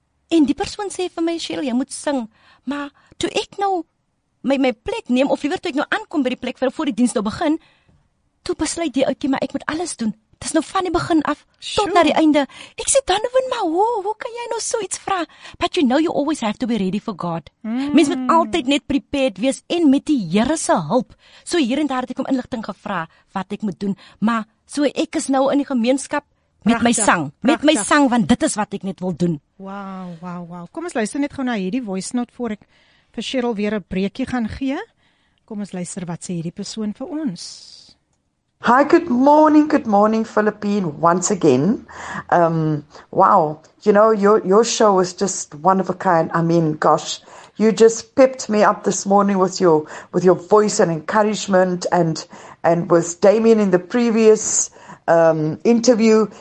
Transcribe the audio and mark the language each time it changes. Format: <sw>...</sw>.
<af>En die persoon sê vir my, "Shirley, jy moet sing." Maar toe ek nou my plek neem of liewer toe ek nou aankom by die plek voor die diens nou begin, toe besluit die ouetjie maar ek moet alles doen. Dit is nou van die begin af tot na die einde. Ek sê dan hoor maar, hoe kan jy nou so iets vra?</af> <en>But you know you always have to be ready for God.</en> <af>Mens moet altyd net prepared wees en met die Here se hulp. So hier en daar het ek om inligting gevra wat ek moet doen, maar so ek is nou in die gemeenskap met my sang, met my sang want dit is wat ek net wil doen.</af> <en>Wow.</en> <af>Kom ons luister net gou na hierdie voice note voor ek vir Cheryl weer 'n breekie gaan gee. Kom ons luister wat sê hierdie persoon vir ons.</af> <en>Hi, good morning, Philippine, once again. Wow, you know, your show is just one of a kind. I mean, gosh, you just pepped me up this morning with your voice and encouragement and with Damien in the previous interview.</en>